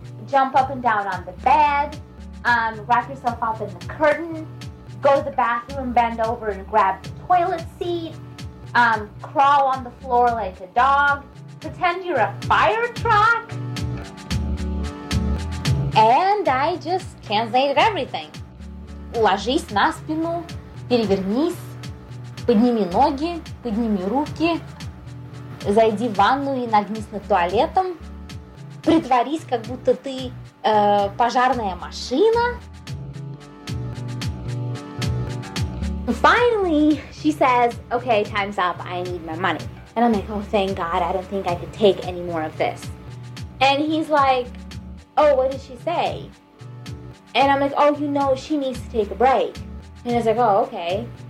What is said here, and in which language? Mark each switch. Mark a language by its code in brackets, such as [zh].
[en] jump up and down on the bed, wrap yourself up in the curtain, go to the bathroom, bend over and grab the toilet seat, crawl on the floor like a dog, pretend you're a fire truck. And I just translated everything. [ru] Ложись на спину, перевернись, подними ноги, подними руки, зайди в ванну и нагнись над туалетом, притворись, как будто ты пожарная машина. [en] Finally, she says, okay, time's up, I need my money. And I'm like, oh, thank God, I don't think I could take any more of this. And he's like, oh, what did she say? And I'm like, oh, you know, she needs to take a break. And he's like, oh, okay.